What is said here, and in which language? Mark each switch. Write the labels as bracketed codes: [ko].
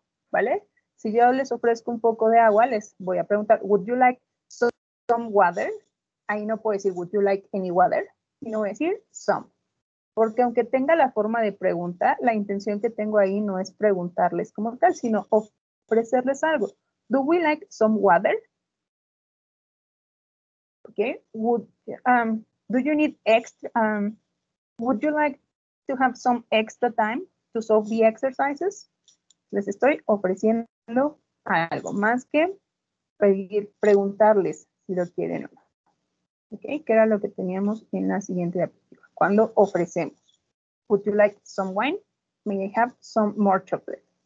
[es] ¿Vale? Si yo les ofrezco un poco de agua, les voy a preguntar, [en] would you like some water? [es] Ahí no puedo decir, [en] would you like any water? [es] Sino decir, some. Porque aunque tenga la forma de pregunta, la intención que tengo ahí no es preguntarles como tal, sino ofrecerles algo. [en] Do we like some water? ¿Ok? Would you like to have some extra time to solve the exercises? [es] Les estoy ofreciendo algo más que preguntarles si lo quieren o no. ¿Ok? Que era lo que teníamos en la siguiente diapositiva. Cuando ofrecemos. [en] Would you like some wine? May I have some more chocolate?